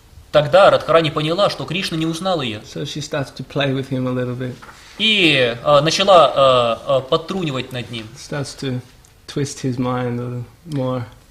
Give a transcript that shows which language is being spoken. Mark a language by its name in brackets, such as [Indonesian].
[Russian] Тогда Радхарани поняла, что Кришна не узнал ее. [English] So she starts to play with him a little bit. [Russian] И начала подтрунивать над ним. [English] Starts to twist his mind a little more.